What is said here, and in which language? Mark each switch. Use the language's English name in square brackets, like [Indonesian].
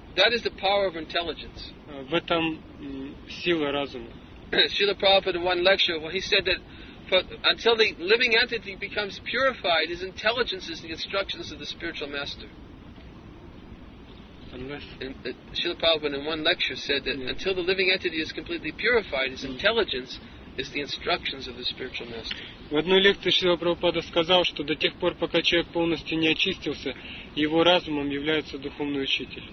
[English] That is the power of intelligence. [Russian] В этом сила разума. [English] Srila Prabhupada in one lecture, well, he said that until the living entity becomes purified, his intelligence is the instructions of the spiritual master. Srila Prabhupada in one lecture said that until the living entity is completely purified, his intelligence is the instructions of the spiritual master. [Russian] В одной лекции Шрила Прабхупада сказал, что до тех пор, пока человек полностью не очистился, его разумом является духовный учитель.